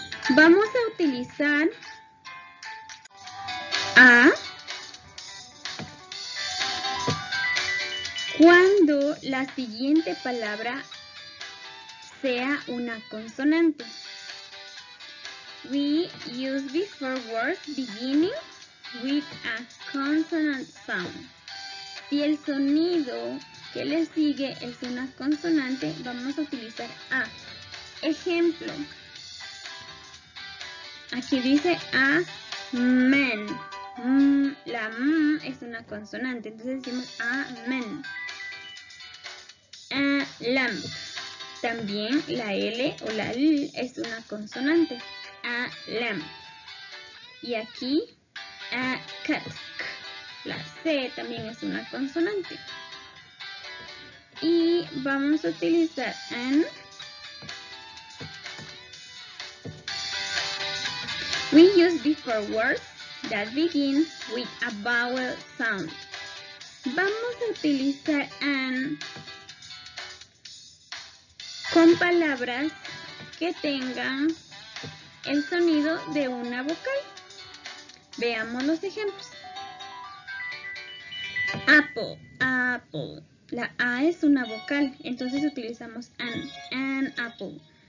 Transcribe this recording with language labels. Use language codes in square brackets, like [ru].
[es] Vamos a utilizar a cuando la siguiente palabra sea una consonante. [en] We use before words beginning with a consonant sound. [es] Si el sonido que le sigue es una consonante, vamos a utilizar a. Ejemplo. Aquí dice a man. La m es una consonante, entonces decimos amen. A lamp. También la L o la L es una consonante. A lamp. Y aquí a cat. La C también es una consonante. Y vamos a utilizar an. [en] We use before words that begin with a vowel sound. [es] Vamos a utilizar an con palabras que tengan el sonido de una vocal. Veamos los ejemplos. Apple, apple. La A es una vocal, entonces utilizamos an apple.